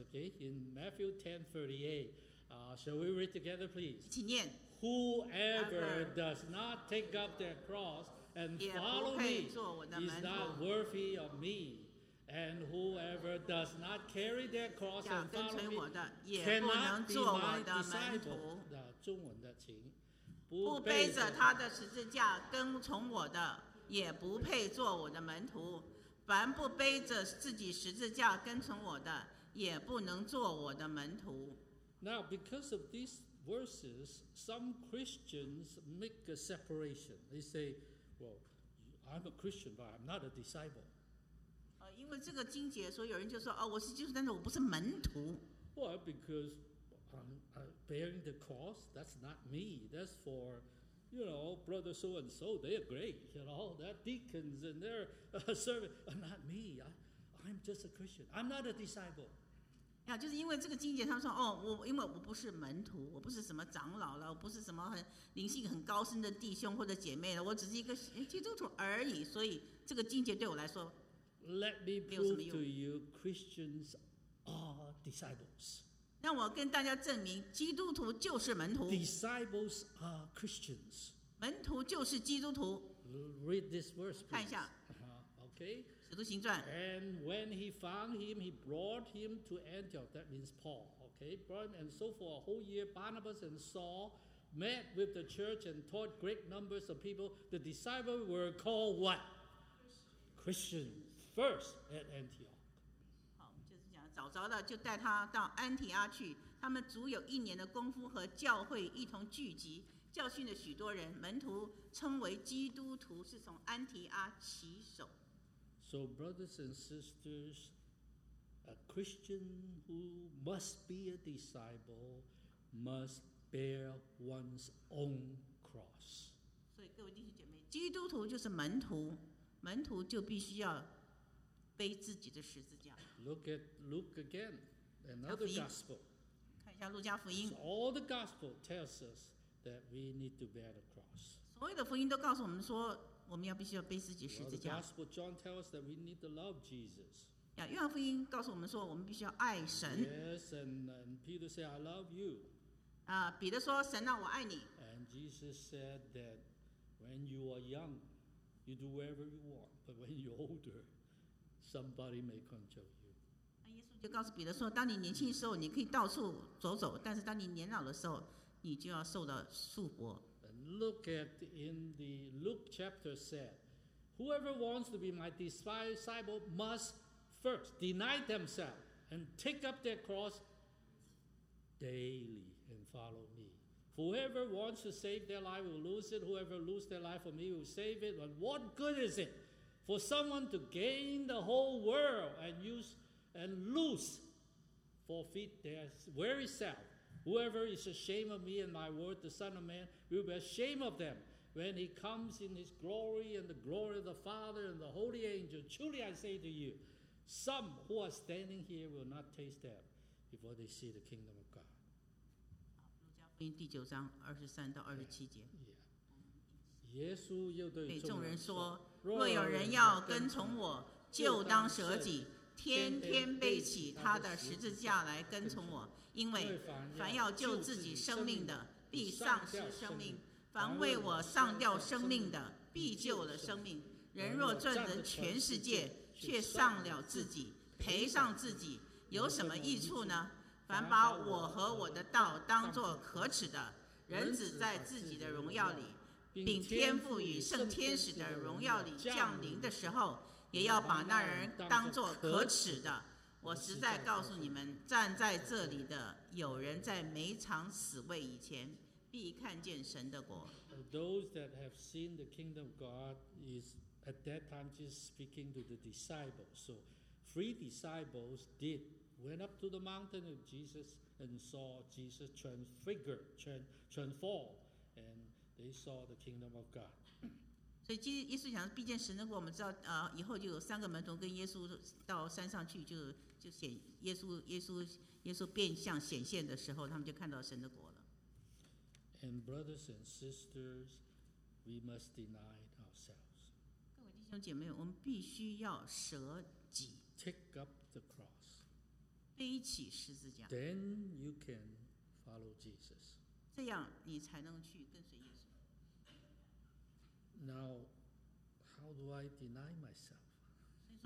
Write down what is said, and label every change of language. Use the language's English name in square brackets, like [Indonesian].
[English] Okay, in Matthew 10:38, shall we read together, please? [Chinese] 一起念。 [English] Whoever does not take up their cross. And follow me is not worthy of me. And whoever does not carry their cross and follow me [Chinese] 也不能做我的门徒。中文的请不背着他的十字架跟从我的也不配做我的门徒凡不背着自己十字架跟从我的也不能做我的门徒 [English] Now because of these verses some Christians make a separation they say well I'm a Christian but I'm not a disciple [Chinese] 因为这个经节所以有人就说、哦、我是基督徒但是我不是门徒 [English] Well, because I'm bearing the cross, that's not me. That's for, you know, brother so-and-so, they are great, you know, that deacons and their servant, not me. I'm just a Christian. I'm not a disciple. [Chinese] Yeah, 就是因为这个经节他们说、哦、我因为我不是门徒我不是什么长老了我不是什么很灵性很高深的弟兄或者姐妹了我只是一个基督徒而已所以这个经节对我来说 [English] Let me prove to you, Christians are disciples. [Chinese] 让我跟大家证明，基督徒就是门徒。 [English] Disciples are Christians. [Chinese] 门徒就是基督徒。 [English] Read this verse, please. [Chinese] 看一下。 [English] Okay. [Chinese] 使徒行传。 [English] And when he found him, he brought him to Antioch. That means Paul. Okay. Brought him, and so for a whole year, Barnabas and Saul met with the church and taught great numbers of people. The disciples were called what? Christians. First at Antioch. [Chinese] 好，就是讲早早的就带他到安提阿去。他们足有一年的功夫和教会一同聚集，教训了许多人。门徒称为基督徒，是从安提阿起手。 [English] So brothers and sisters, a Christian who must be a disciple must bear one's own cross. [Chinese] 所以各位弟兄姐妹，基督徒就是门徒，门徒就必须要。背自己的十字架。 [English] Look at Luke again, another gospel. [Chinese] 看一下路加福音。 [English] All the gospel tells us that we need to bear the cross. [Chinese] 所有的福音都告诉我们说，我们要必须要背自己十字架。 [English] The gospel John tells us that we need to love Jesus. [Chinese] 约翰福音告诉我们说，我们必须要爱神。 [English] Yes, and Peter said, "I love you." [Chinese] 彼得说，神啊，我爱你。 [English] And Jesus said that when you are young, you do whatever you want, but when you're older. Somebody may control you. [Chinese] 耶稣就告诉彼得说，当你年轻的时候，你可以到处走走，但是当你年老的时候，你就要受到束缚。 [English] And look at in the Luke chapter said, whoever wants to be my disciple must first deny themselves and take up their cross daily and follow me. Whoever wants to save their life will lose it. Whoever loses their life for me will save it. But what good is it? For someone to gain the whole world and use and lose forfeit their very self. Whoever is ashamed of me and my word, the Son of Man, will be ashamed of them when he comes in his glory and the glory of the Father and the holy angel. Truly I say to you, some who are standing here will not taste death before they see the kingdom of God. [Chinese] 路加福音第九章二十三到二十七节。耶稣又对众人说： 若有人要跟从我，就当舍己，天天背起他的十字架来跟从我。因为凡要救自己生命的，必丧失生命；凡为我丧掉生命的，必救了生命。人若赚得全世界，却丧了自己，赔上自己，有什么益处呢？凡把我和我的道当作可耻的，人只在自己的荣耀里。并天父与圣天使的荣耀里降临的时候，也要把那人当作可耻的。我实在告诉你们，站在这里的有人在每场死位以前，必看见神的国。 [English] Those that have seen the kingdom of God is at that time just speaking to the disciples. So three disciples did went up to the mountain of Jesus and saw Jesus transformed and They saw the kingdom of God. [Chinese] 所以耶稣讲，毕竟神的国，我们知道，以后就有三个门徒跟耶稣到山上去，就显耶稣变相显现的时候，他们就看到神的国了。 [English] And brothers and sisters, we must deny ourselves. [Chinese] 各位弟兄姐妹，我们必须要舍己。 [English] Take up the cross. [Chinese] 背起十字架。 [English] Then you can follow Jesus. [Chinese] 这样你才能去跟随耶稣。 [English] Now, how do I deny myself?